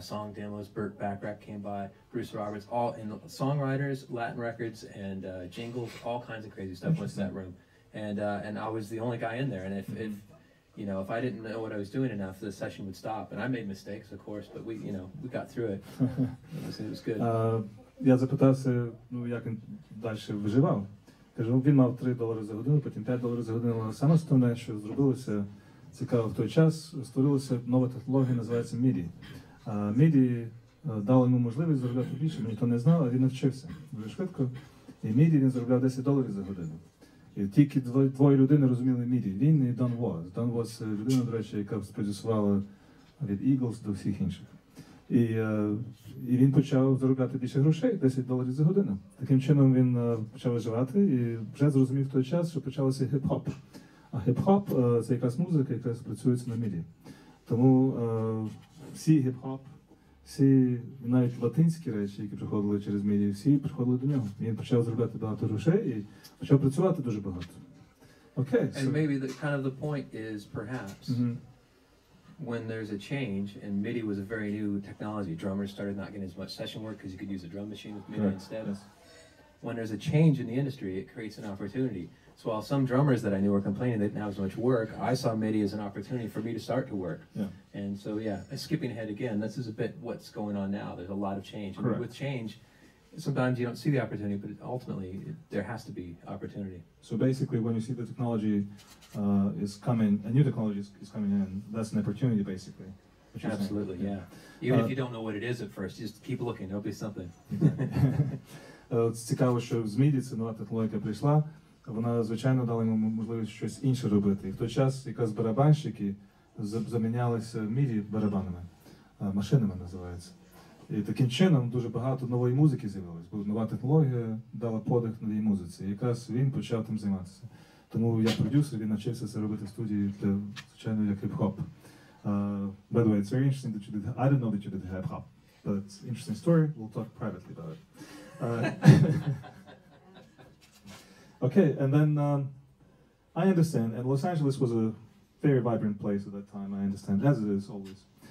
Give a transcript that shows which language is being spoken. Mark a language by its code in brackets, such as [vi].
[en] Song demos, Burt Bacharach came by, Bruce Roberts, all in songwriters, Latin records, and jingles, all kinds of crazy stuff went to that room. And I was the only guy in there. And if I didn't know what I was doing enough, the session would stop. And I made mistakes, of course, but we got through it. It was good. [uk] Я запитався, як він далі виживав. Кажу, він мав $3 за годину, потім $5 за годину. Але саме основне, що зробилося цікаво в той час, створилася нова технологія, називається MIDI. MIDI дало йому можливість заробляти більше, ніхто не знав, а він навчився дуже швидко. І MIDI він заробляв $10 за годину. І тільки двоє людини розуміли MIDI. Він і Don Was. Don Was – людина, до речі, яка спродюсувала від Eagles до всіх інших. І він почав заробляти більше грошей – $10 за годину. Таким чином він почав виживати і вже зрозумів в той час, що почалося хіп-хоп. А хіп-хоп – це якраз музика, яка спрацюється на MIDI. Тому всі хіп-хоп, всі навіть латинські речі, які приходили через MIDI, всі приходили до нього. Він почав заробляти багато грошей і почав працювати дуже багато. [en] Okay, so. And maybe the point is perhaps mm-hmm. when there's a change, and MIDI was a very new technology, drummers started not getting as much session work because you could use a drum machine with MIDI right. instead. Yes. When there's a change in the industry, it creates an opportunity. So while some drummers that I knew were complaining that now is much work, I saw MIDI as an opportunity for me to start to work. Yeah. And so, yeah, skipping ahead again, this is a bit what's going on now. There's a lot of change. Correct. And with change, sometimes you don't see the opportunity, but ultimately there has to be opportunity. So basically, when you see the technology is coming, a new technology is coming in, that's an opportunity, basically. Absolutely, yeah. Even if you don't know what it is at first, just keep looking. There'll be something. [uk] It's цікаво, що з MIDI ця нова технологія прийшла. Вона, звичайно, дала йому можливість щось інше робити. І в той час якраз барабанщики замінялися в мірі барабанами, машинами називаються. І таким чином дуже багато нової музики з'явилось, бо нова технологія дала подих новій музиці. І якраз він почав тим займатися. Тому я продюсер, він навчився це робити в студії, для, звичайно, як хіп-хоп. [en] By the way, it's very interesting that you did, I didn't know that you did hip-hop, but it's an interesting story, we'll talk privately about it. Okay, and then I understand, and Los Angeles was a very vibrant place at that time, I understand, as it is always.